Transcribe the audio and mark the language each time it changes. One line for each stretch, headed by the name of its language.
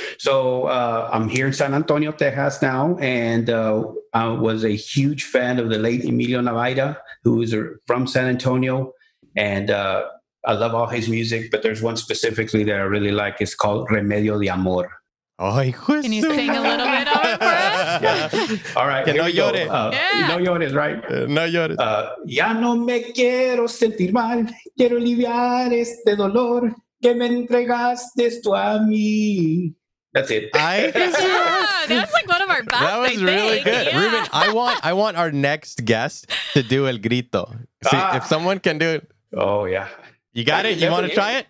English: So I'm here in San Antonio, Texas now, and I was a huge fan of the late Emilio Navaira, who is from San Antonio, and I love all his music, but there's one specifically that I really like. It's called Remedio de Amor. Can you sing a little bit of it for us? Yeah. All right.
Spanish: No llores,
English: right?
Spanish: No llores. Ya no me quiero sentir mal. Quiero aliviar este dolor que me entregaste tú a mí.
English: That's it. That's like one of our best. That was really good. Yeah. Ruben, I want our next guest to do El Grito. See, if someone can do it. Oh, yeah. You got it? You want to try it?